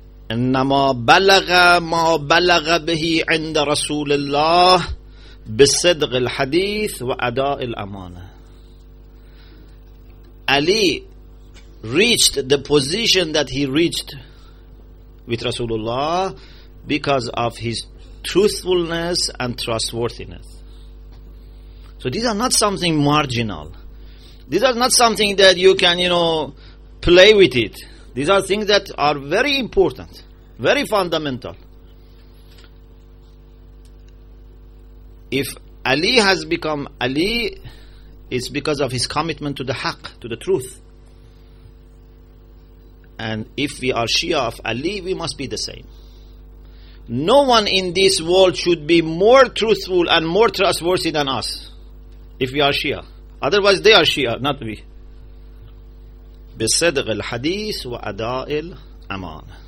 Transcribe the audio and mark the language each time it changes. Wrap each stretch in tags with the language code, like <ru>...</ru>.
<ar>إنما بلغ ما بلغ به عند رسول الله بصدق الحديث وأداء الأمانة.</ar> <en>Ali reached the position that he reached with Rasulullah because of his truthfulness and trustworthiness. So these are not something marginal. These are not something that you can, you know, play with it. These are things that are very important, very fundamental. If Ali has become Ali, it's because of his commitment to the Haqq, to the truth. And if we are Shia of Ali, we must be the same. No one in this world should be more truthful and more trustworthy than us, if we are Shia. Otherwise, they are Shia, not we.</en> <ar>بصدق الحديث وأداء الأمان.</ar>